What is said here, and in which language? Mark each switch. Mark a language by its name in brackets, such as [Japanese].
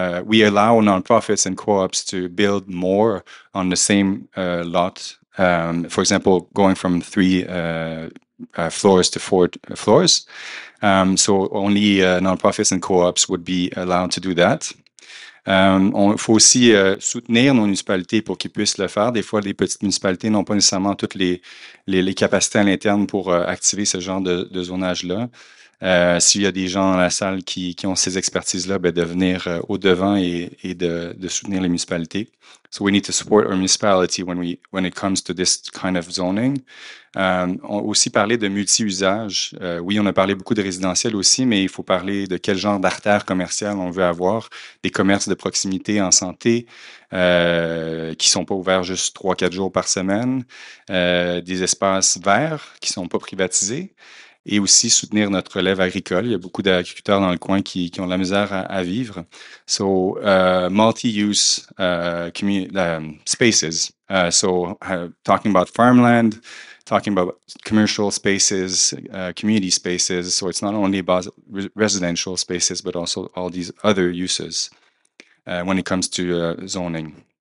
[English] We allow nonprofits and co-ops to build more on the same lot. For example, going from 3 floors to 4 floors. So only nonprofits and co-ops would be allowed to do that. [French] Il faut aussi soutenir nos municipalités pour qu'ils puissent le faire. Des fois, les petites municipalités n'ont pas nécessairement toutes les capacités à l'interne pour activer ce genre de zonage-là. S'il y a des gens dans la salle qui ont ces expertises-là, ben, de venir au-devant et de soutenir les municipalités. [English] So we need to support our municipality when it comes to this kind of zoning. [French] On a aussi parlé de multi-usage. Oui, on a parlé beaucoup de résidentiel aussi, mais il faut parler de quel genre d'artère commerciale on veut avoir. Des commerces de proximité en santé qui ne sont pas ouverts juste 3-4 jours par semaine. Des espaces verts qui ne sont pas privatisés. Et aussi soutenir notre relève agricole. Il y a beaucoup d'agriculteurs dans le coin qui ont de la misère à vivre. [English] So, multi-use spaces. Talking about farmland, talking about commercial spaces, community spaces. So, it's not only about residential spaces, but also all these other uses when it comes to zoning.